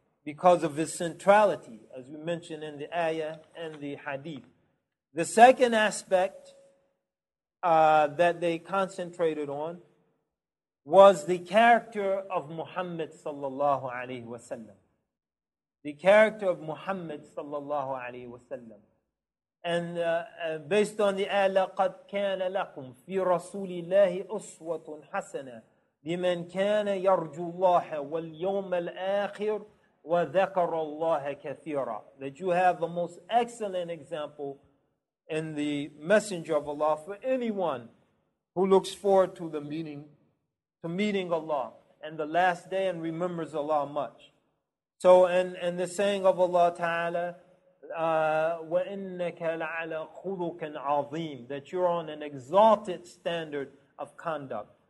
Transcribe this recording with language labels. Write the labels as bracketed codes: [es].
[en] because of its centrality, as we mentioned in the ayah and the hadith. The second aspect that they concentrated on was the character of Muhammad sallallahu alaihi wasallam. The character of Muhammad sallallahu alaihi wasallam. And based on the ayah, [ar] لَقَدْ كَانَ لَكُمْ فِي رَسُولِ اللَّهِ أُسْوَةٌ حَسَنَةٌ لِمَنْ كَانَ يَرْجُو اللَّهَ وَالْيَوْمَ الْآخِرُ وَذَكَرَ اللَّهَ كَثِيرًا. [en] That you have the most excellent example in the Messenger of Allah for anyone who looks forward to the meeting, to meeting Allah and the last day and remembers Allah much. So, and the saying of Allah Ta'ala, [ar] وَإِنَّكَ لَعَلَى خُلُقٍ عَظِيمٍ, [en] that you're on an exalted standard of conduct.